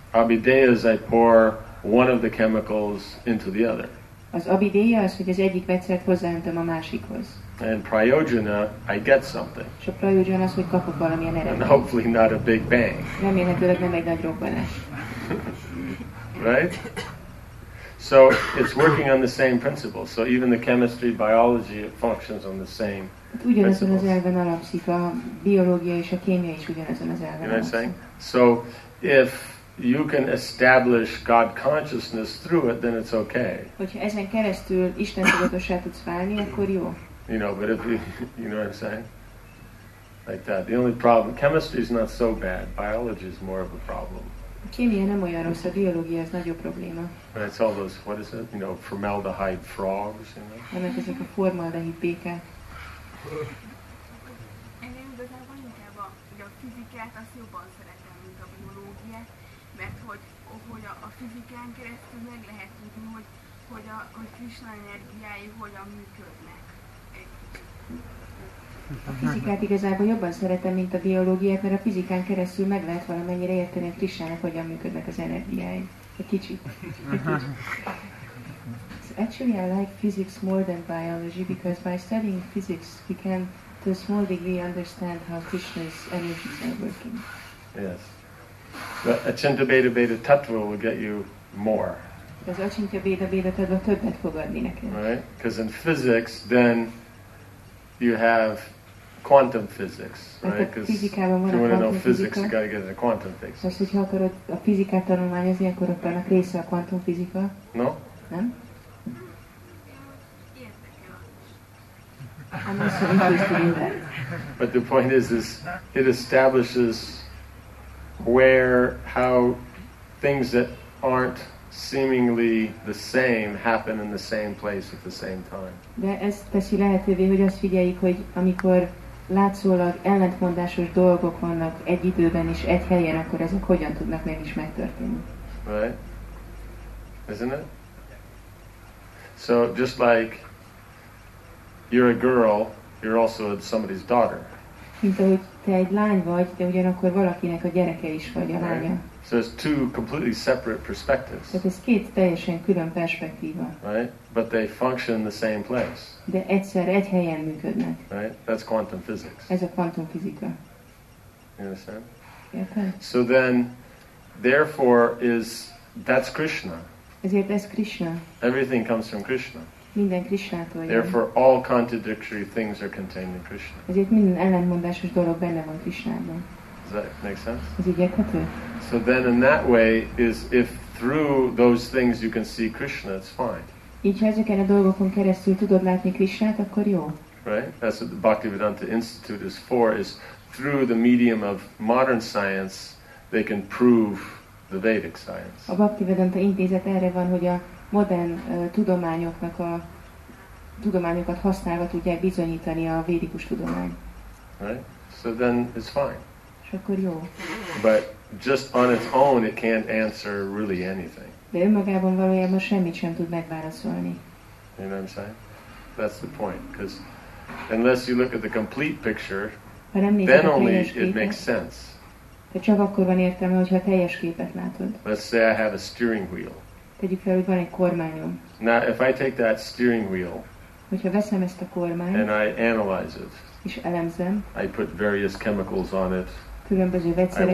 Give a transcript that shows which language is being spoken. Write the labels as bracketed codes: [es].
[en] Abhideya is I pour one of the chemicals into the other. [hu] Az abhideya az, hogy az egyik vegyszert hozzáöntöm a másikhoz. [en] And prayojana, I get something. [hu] És a prayojana az, hogy kapok valamilyen eredményt. [en] And hopefully not a big bang. [hu] Remélhetőleg nem egy nagy robbanás. [en] Right? So it's working on the same principle. So even the chemistry, biology, it functions on the same principle. [hu] Ugyanazon az elven alapszik, a biológia és a kémia is ugyanazon az elven. [en] You know what I'm saying? So if you can establish God consciousness through it, then it's okay. [hu] Hogyha ezen keresztül Isten tudatossá tudsz válni, akkor jó. [en] You know, but if you know what I'm saying? Like that. The only problem, chemistry is not so bad. Biology is more of a problem. [hu] A kémia nem olyan rossz, a biológia ez nagyobb probléma. [en] And it's all those, what is it? You know, formaldehyde frogs, you know? [hu] Ennek ezek a formaldehyde békák. Én igazából inkább a fizikát, azt jobban szeretem, mint a biológiát, mert hogy a fizikán keresztül meg lehet tudni, hogy Krishna energiái hogyan működnek. A fizikát igazából jobban szeretem, mint a biológiát, mert a fizikán keresztül meg lehet valamennyire érteni a Krisnának, hogyan működnek az energiái. Egy kicsit. [en] So actually, I like physics more than biology, because by studying physics, we can, to a small degree, understand how Krishna's energies are working. Yes. But Achintya Beda Beda Tattva will get you more. [hu] Az Achintya Beda Beda Tattva többet fog adni neked. [en] Right? Because in physics, then you have quantum physics, right? Because if you want to know physics, you got to get into quantum physics. [hu] Most, hogyha akarod a fizikát tanulmányozni, akkor ott annak része a quantum fizika. [en] No? [hu] Nem? [en] I'm not so interested in that. But the point is it establishes where, how things that aren't seemingly the same happen in the same place at the same time. [hu] De ez teszi lehetővé, hogy azt figyeljük, hogy amikor látszólag ellentmondásos dolgok vannak egy időben és egy helyen, akkor ezek hogyan tudnak meg is megtörténni. [en] Right? Isn't it? So just like you're a girl, you're also somebody's daughter. [hu] Mint ahogy te egy lány vagy, de ugyanakkor valakinek a gyereke is vagy, a lánya. [en] So it's two completely separate perspectives. [hu] Tehát ez két teljesen külön perspektíva. [en] Right? But they function in the same place. [hu] De egyszer egy helyen működnek. [en] Right? That's quantum physics. [hu] Ez a kvantum fizika. [en] You understand? [hu] Érted? [en] So then, therefore, that's Krishna. [hu] Ezért ez Krishna. [en] Everything comes from Krishna. [hu] Minden Krishnától jön. [en] Therefore, all contradictory things are contained in Krishna. [hu] Ezért minden ellentmondásos dolog benne van Krishnában. [en] Does that make sense? So then in that way is if through those things you can see Krishna, it's fine. [hu] Így, ha ezeken a dolgokon keresztül tudod látni Krishnát, akkor jó. [en] Right? That's what the Bhaktivedanta Institute is for, is through the medium of modern science, they can prove the Vedic science. [hu] A Bhaktivedanta Intézet erre van, hogy a modern tudományoknak a tudományokat használva tudják bizonyítani a védikus tudomány. [en] Right? So then it's fine. [hu] Akkor jó. [en] But just on its own, it can't answer really anything. [hu] De önmagában valójában semmit sem tud megválaszolni. [en] You know what I'm saying? That's the point. Because unless you look at the complete picture, then only it makes sense. [hu] De csak akkor van értelme, hogyha teljes képet látod. [en] Let's say I have a steering wheel. [hu] Tegyük fel, hogy van egy kormányom. [en] Now, if I take that steering wheel, [hu] hogyha veszem ezt a kormányt, [en] and I analyze it, [hu] és elemzem, [en] I put various chemicals on it, [hu] különböző vegyszereket,